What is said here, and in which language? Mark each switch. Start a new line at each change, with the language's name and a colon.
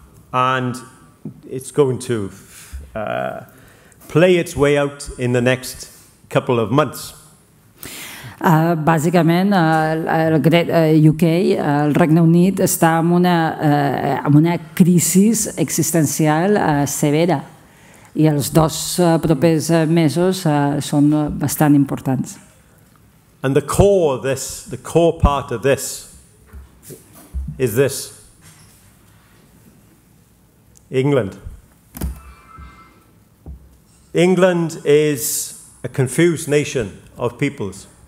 English: And it's going to play its way out in the next couple of months.
Catalan: Bàsicament, el Great UK, el Regne Unit, està en una crisi existencial severa i els dos propers mesos són bastant importants.
English: And the core of this, the core part of this is this. England. England is a confused nation of peoples.